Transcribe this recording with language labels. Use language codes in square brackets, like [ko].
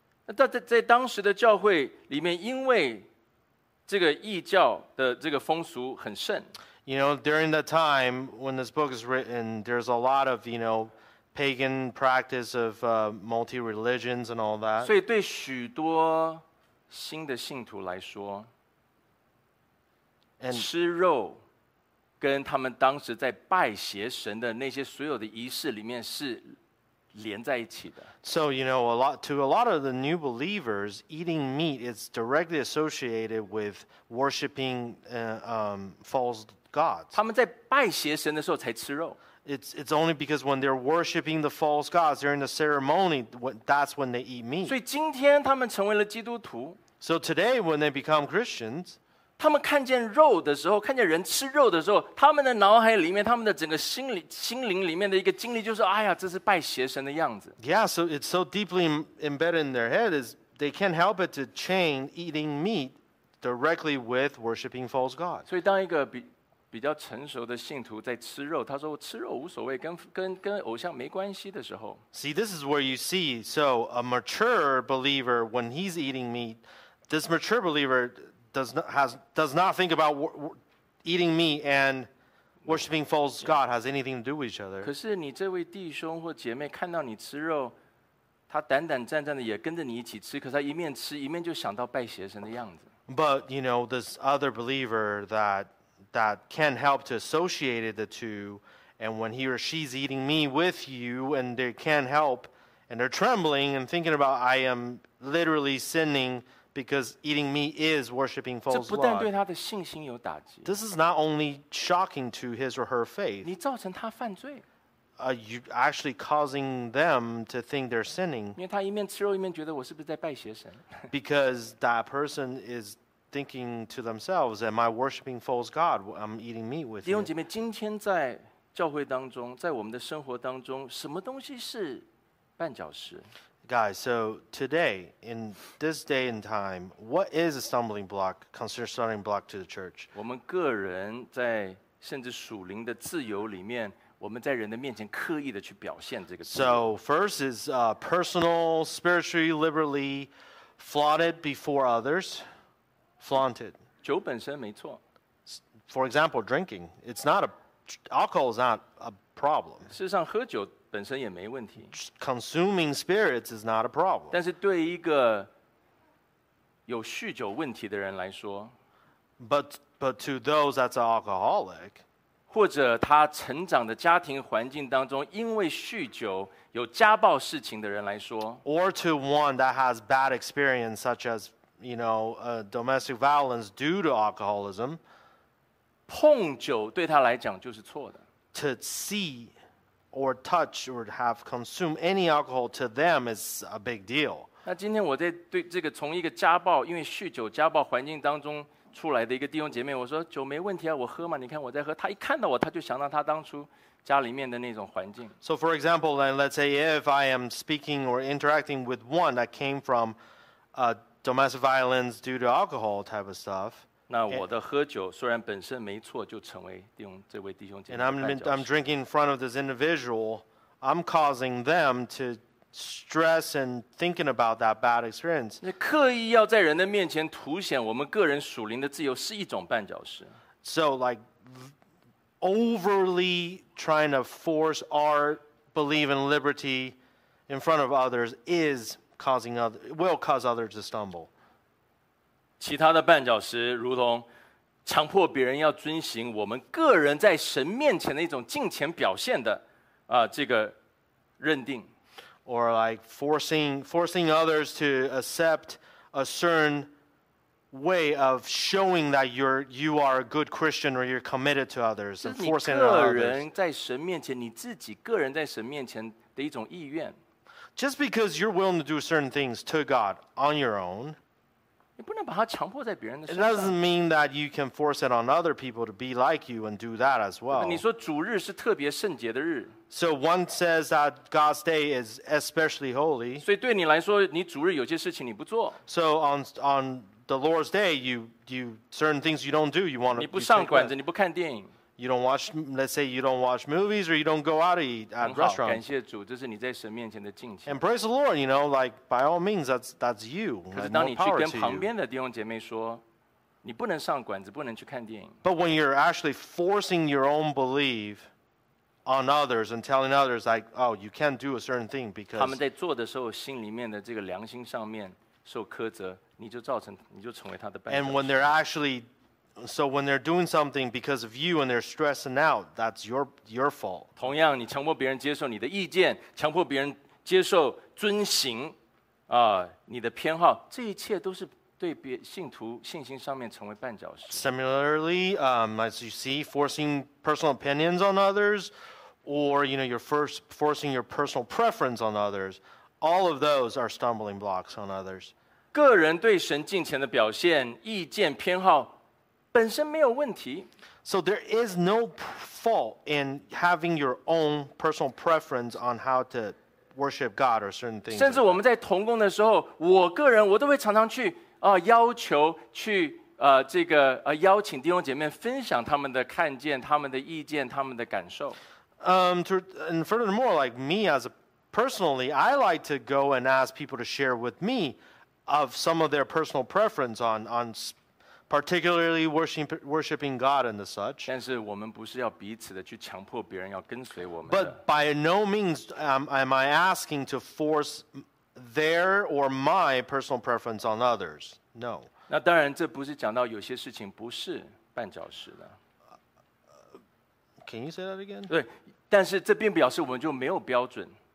[zh] 那在当时的教会里面，因为这个异教的这个风俗很甚。 [en] You know, during the time when this book is written, there's a lot of, you know. Pagan practice of multi-religions and all that. [zh] 所以对许多新的信徒来说，吃肉跟他们当时在拜邪神的那些所有的仪式里面是连在一起的。 [en] So, you know, to a lot of the new believers, eating meat is directly associated with worshiping false gods. [zh] 他们在拜邪神的时候才吃肉。 [en] It's only because when they're worshiping the false gods during the ceremony, that's when they eat meat. [zh] 所以今天他们成为了基督徒。 [en] So today, when they become Christians, [zh] 他们看见肉的时候，看见人吃肉的时候，他们的脑海里面，他们的整个心灵里面的一个经历就是，哎呀，这是拜邪神的样子。 [en] Yeah, so it's so deeply embedded in their head is they can't help but to chain eating meat directly with worshiping false gods. [zh] 所以当一个比较成熟的信徒在吃肉，他说吃肉无所谓，跟偶像没关系的时候。 [en] See, this is where you see. So a mature believer, when he's eating meat, this mature believer does not think about eating meat and worshiping false god has anything to do with each other. [zh] 可是你这位弟兄或姐妹看到你吃肉，他胆胆战战的也跟着你一起吃，可是他一面吃一面就想到拜邪神的样子。 [en] But you know this other believer that can't help to associate the two, and when he or she's eating me with you, and they can't help, and they're trembling and thinking about, I am literally sinning because eating me is worshiping false god. [zh] 这不但对他的信心有打击。 [en] This is not only shocking to his or her faith. [zh] 你造成他犯罪。 [en] You actually causing them to think they're sinning. [zh] 因为他一面吃肉一面觉得我是不是在拜邪神。 [en] Because that person is. Thinking to themselves, am I worshiping false God? I'm eating meat with you. [zh] 弟兄姐妹，今天在教会当中，在我们的生活当中，什么东西是绊脚石？ [en] Guys, so today, in this day and time, what is a stumbling block, considered stumbling block to the church? [zh] 我们个人在甚至属灵的自由里面，我们在人的面前刻意的去表现这个。 [en] So first is personal, spiritually, liberally, flaunted before others. Flaunted. [zh] 酒本身没错。 [en] For example, drinking. It's not a, alcohol is not a problem. [zh] 事实上喝酒本身也没问题。 [en] Consuming spirits is not a problem. [zh] 但是对一个有酗酒问题的人来说。 [en] But to those that's an alcoholic. [zh] 或者他成长的家庭环境当中因为酗酒有家暴事情的人来说。 [en] Or to one that has bad experience such as,You know, domestic violence due to alcoholism. [zh] 碰酒对他来讲就是错的。 [en] To see or touch or have consumed any alcohol to them is a big deal. [zh] 那今天我在对这个从一个家暴，因为酗酒家暴环境当中出来的一个弟兄姐妹，我说酒没问题啊，我喝嘛，你看我在喝。他一看到我，他就想到他当初家里面的那种环境。 [en] So for example, then let's say if I am speaking or interacting with one that came from domestic violence due to alcohol type of stuff. [zh] 那我的喝酒虽然本身没错，就成为弟兄这位弟兄姐妹的绊脚石。 [en] And I'm drinking in front of this individual, I'm causing them to stress and thinking about that bad experience. [zh] 刻意要在人的面前凸显我们个人属灵的自由是一种绊脚石。 [en] So like overly trying to force our belief in liberty in front of others is causing other, will cause others to stumble. [zh] 其他的绊脚石如同强迫别人要遵行我们个人在神面前的一种敬虔表现的这个认定。 [en] Or like forcing others to accept a certain way of showing that you are a good Christian or you're committed to others and forcing others. [zh] 是你个人在神面前，你自己个人在神面前的一种意愿。 [en] Just because you're willing to do certain things to God on your own, [zh] 你不能把它强迫在别人的身上。 [en] It doesn't mean that you can force it on other people to be like you and do that as well. [zh] 你说主日是特别圣洁的日。 [en] So one says that God's day is especially holy. [zh] 所以对你来说，你主日有些事情你不做。 [en] So on the Lord's day, you certain things you don't do. You want to. [zh] 你不上馆子，你不看电影。 [en] You don't watch. Let's say you don't watch movies, or you don't go out to eat at restaurants. [zh] 感谢主，这是你在神面前的敬虔。 [en] And praise the Lord, you know, like by all means, that's you. [zh] 可是当你去跟旁边的弟兄姐妹说，你不能上馆子，不能去看电影。 [en] But when you're actually forcing your own belief on others and telling others like, oh, you can't do a certain thing because [zh] 他们在做的时候，心里面的这个良心上面受苛责，你就造成，你就成为他的绊脚石。 [en] And when they're actually So when they're doing something because of you and they're stressing out, that's your fault. [zh] 同样，你强迫别人接受你的意见，强迫别人接受遵行，你的偏好，这一切都是对别信徒信心上面成为绊脚石。 [en] Similarly, as you see, forcing personal opinions on others, or you know, forcing your personal preference on others, all of those are stumbling blocks on others. [zh] 个人对神敬虔的表现、意见、偏好。本身没有问题。 [en] So there is no fault in having your own personal preference on how to worship God or certain things. [zh] 甚至我们在同工的时候，我个人我都会常常去要求去这个邀请弟兄姐妹分享他们的看见、他们的意见、他们的感受。 [en] And furthermore, like me as a personally, I like to go and ask people to share with me of some of their personal preference on particularly worshiping God and the such. [zh] 但是我们不是要彼此的去强迫别人要跟随我们的。 [en] But by no means am I asking to force their or my personal preference on others. No. [zh] 那当然，这不是讲到有些事情不是绊脚石的。 [en] Can you say that again? [zh] 对，但是这并不表示我们就没有标准。